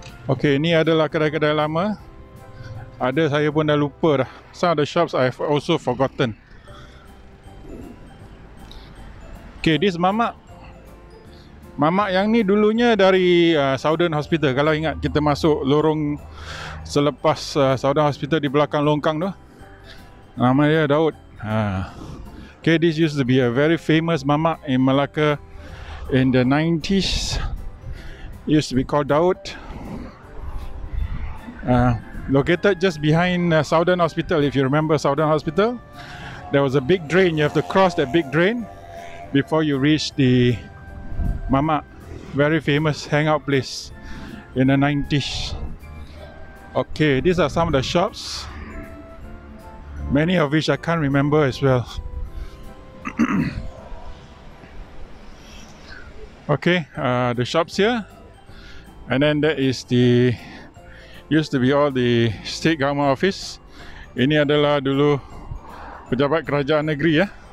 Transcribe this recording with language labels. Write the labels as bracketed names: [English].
[Malay] Okay, ni adalah kedai-kedai lama. Ada saya pun dah lupa dah. [English] Some of the shops I have also forgotten. Okay, this mamak. [Malay] Mamak yang ni dulunya dari Southern Hospital. Kalau ingat kita masuk lorong selepas Southern Hospital di belakang longkang tu. Nama dia Daud. [English] Okay, this used to be a very famous mamak in Melaka in the 90s. It used to be called Daud. Located just behind Southern Hospital. If you remember Southern Hospital, there was a big drain. You have to cross that big drain before you reach the Mama, very famous hangout place in the 90s. Okay, these are some of the shops, many of which I can't remember as well. Okay, the shops here, and then that is the used to be all the state government office. [Malay] Ini adalah dulu pejabat kerajaan negeri ya.